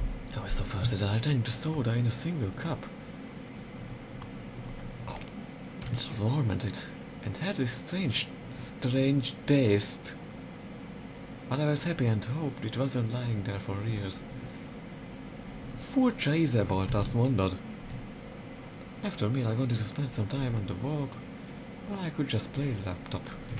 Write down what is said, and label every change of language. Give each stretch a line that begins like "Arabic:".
English: I was so thirsty that I drank the soda in a single cup. It was warm and had this strange taste. But I was happy and hoped it wasn't lying there for years.
Hungarian: Furcsa íze volt, azt mondod.
English: After a meal I wanted to spend some time on the walk, or I could just play the laptop.